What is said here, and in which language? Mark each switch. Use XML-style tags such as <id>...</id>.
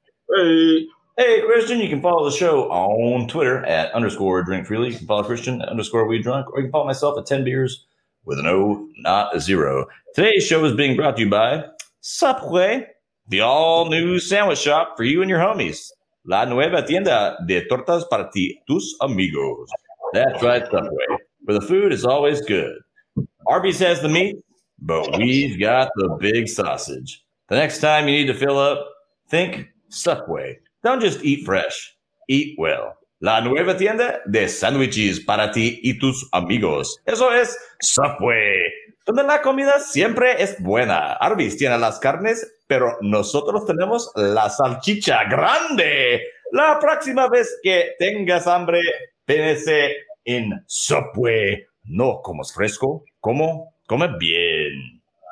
<en>Hey, Christian, you can follow the show on Twitter at _ drink freely. You can follow Christian at _ weed drunk, or you can follow myself at 10 beers with an O, not a zero. Today's show is being brought to you by Subway, the all new sandwich shop for you and your homies.</en> <es>La nueva tienda de tortas para ti, tus amigos.</es> <en>That's right, Subway. Where the food is always good. Arby's has the meat, but we've got the big sausage. The next time you need to fill up, think Subway. Don't just eat fresh. Eat well.</en> <es>La nueva tienda de sandwiches para ti y tus amigos. Eso es Subway. Donde la comida siempre es buena. Arby's tiene las carnes, pero nosotros tenemos la salchicha grande. La próxima vez que tengas hambre, pídese en Subway, no comes fresco, como come bien.</es>